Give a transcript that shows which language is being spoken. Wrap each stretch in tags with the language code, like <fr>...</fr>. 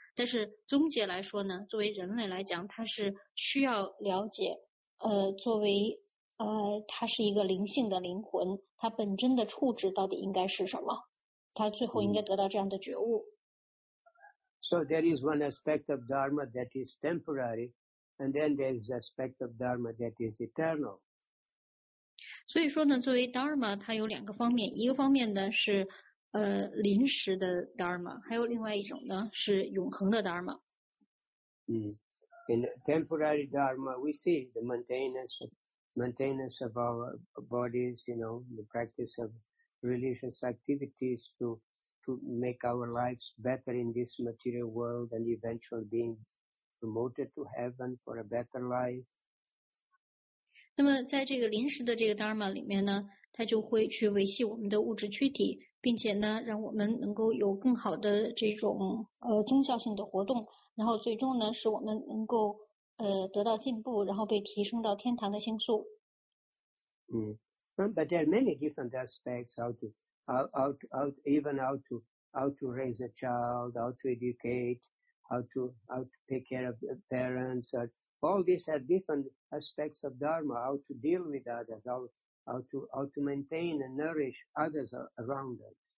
<zh>但是总结来说呢，作为人类来讲，它是需要了解，作为它是一个灵性的灵魂，它本真的处置到底应该是什么，它最后应该得到这样的觉悟。</zh> <en>So there is one aspect of Dharma that is temporary, and then there is aspect of Dharma that is eternal.</en> <zh>所以说呢，作为 Dharma， 它有两个方面，一个方面呢是临时的 Dharma， 还有另外一种呢是永恒的 Dharma.</zh> <en>In temporary Dharma, we see the maintenance of our bodies, you know, the practice of religious activities to to make our lives better in this material world and eventually being promoted to heaven for a better life.</en> <zh>那么在这个临时的这个 Dharma 里面呢，它就会去维系我们的物质躯体，并且呢让我们能够有更好的这种宗教性的活动，然后最终呢使我们能够得到进步，然后被提升到天堂的星宿。</zh> <en>嗯， but there are many different aspects how to raise a child, how to educate, how to take care of parents. All these are different aspects of Dharma, how to deal with others, how to maintain and nourish others around us.</en>